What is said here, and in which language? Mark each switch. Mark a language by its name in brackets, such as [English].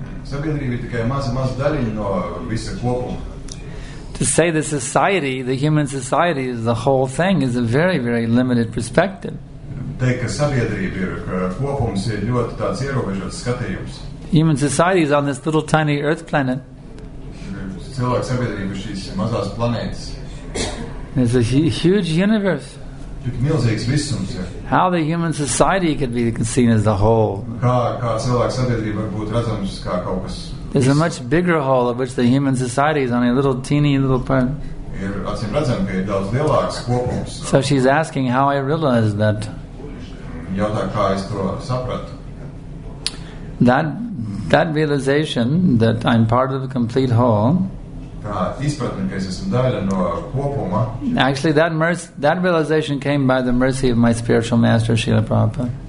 [Latvian] Sabiedrība ir tikai maza daļiņa no visa kopuma. [English] To say the society, the human society, is the whole thing is a very, very limited perspective. [Latvian] Teikt, ka sabiedrība ir, ka kopums ir ļoti tāds ierobežots skatījums. [English] Human society is on this little tiny earth planet. [Latvian] Cilvēku sabiedrība šīs mazās planētas. [English] It's a huge universe. [Latvian] Tik milzīgs visums, ja. [English] How the human society could be seen as the whole. [Latvian] Kā cilvēku sabiedrība var būt redzams kā kaut kas. [English] There's a much bigger whole of which the human society is on a little teeny little part. [Latvian] Ir acīm redzam, ka ir daudz lielāks kopums. [English] So she's asking how I realized that. [Latvian] Jautā, kā es to sapratu. [English] That realization that I'm part of the complete whole. [Latvian] Tā izpratne, ka es esmu daļa no kopuma. [English] Actually, that realization came by the mercy of my spiritual master, Srila Prabhupada.